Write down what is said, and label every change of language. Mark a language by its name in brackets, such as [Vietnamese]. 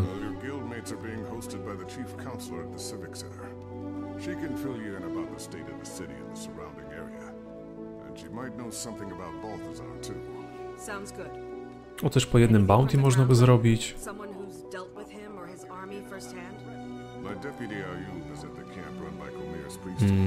[English] Well, your guildmates are being hosted by the chief counselor at the Civic Center. She can fill you in about the state of the city and the surrounding area. And she might know something about Balthazar too. Sounds good. [Polish] O, też po jednym bounty można by zrobić. [English] Someone who's dealt with him or his army firsthand? My deputy Ayub is at the camp run by Komir's priest.